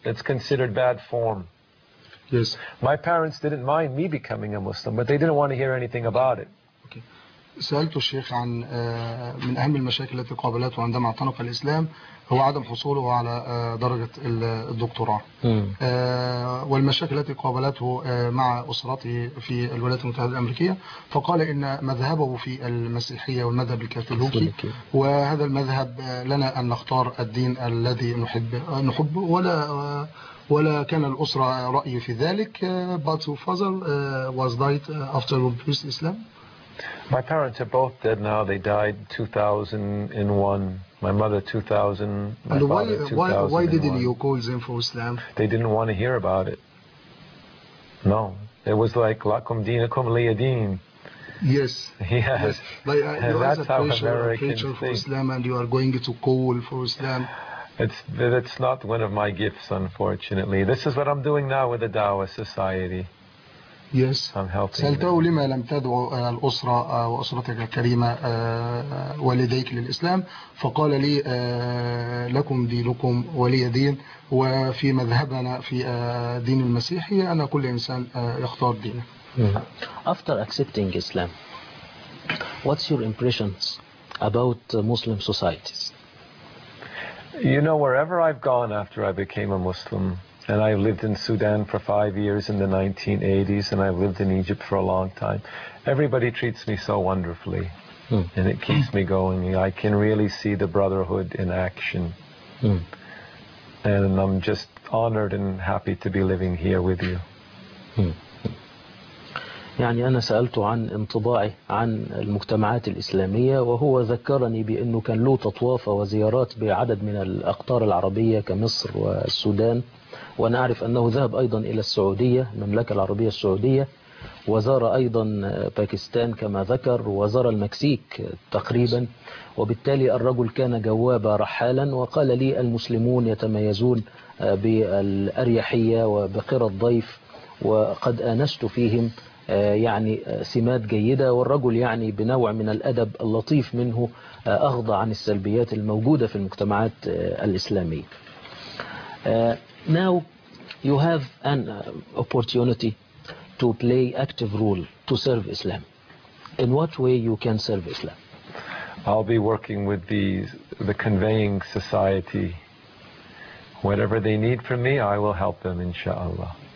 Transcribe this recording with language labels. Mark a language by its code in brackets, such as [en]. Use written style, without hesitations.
[en] it's considered bad form. Yes. My parents didn't mind me becoming a Muslim, but they didn't want to hear anything about it. [ar] سألت الشيخ عن من أهم المشاكل التي قابلته عندما اعتنق الإسلام هو عدم حصوله على درجة الدكتوراه والمشاكل التي قابلته مع أسرته في الولايات المتحدة الأمريكية فقال إن مذهبه في المسيحية والمذهب الكاثوليكي وهذا المذهب لنا أن نختار الدين الذي نحبه ولا كان الأسرة رأي في ذلك [en] but his father was died after he preached Islam. My parents are both dead now. They died 2001. My mother 2000. Why didn't you call them for Islam? They didn't want to hear about it. No. It was like, [ar] lakum dinakum liya din. [en] Yes. Yes. That's how Americans think. Islam and you are going to call for Islam. It's not one of my gifts, unfortunately. This is what I'm doing now with the Dawah Society. Yes. I'm helping. [ar] سألته لما لم تدعو الأسرة وأسرتك الكريمة والديك للإسلام فقال لي لكم دينكم ولي دين وفي مذهبنا في دين المسيحية أن كل إنسان يختار دينه. [en] After accepting Islam, what's your impressions about Muslim societies? You know, wherever I've gone after I became a Muslim, and I lived in Sudan for 5 years in the 1980s, and I've lived in Egypt for a long time. Everybody treats me so wonderfully, and it keeps me going. I can really see the brotherhood in action. And I'm just honored and happy to be living here with you. [ar] يعني أنا سألته عن انطباعي عن المجتمعات الإسلامية وهو ذكرني بأنه كان له تطوافة وزيارات بعدد من الأقطار العربية كمصر والسودان ونعرف أنه ذهب أيضا إلى السعودية المملكة العربية السعودية وزار أيضا باكستان كما ذكر وزار المكسيك تقريبا وبالتالي الرجل كان جوابا رحالا وقال لي المسلمون يتميزون بالأريحية وبقرة الضيف وقد أنست فيهم يعني سمات جيدة والرجل يعني بنوع من الأدب اللطيف منه أغضى عن السلبيات الموجودة في المجتمعات الإسلامية. [en] Now you have an opportunity to play active role to serve Islam. In what way you can serve Islam? I'll be working with the conveying society. Whatever they need from me, I will help them, inshallah.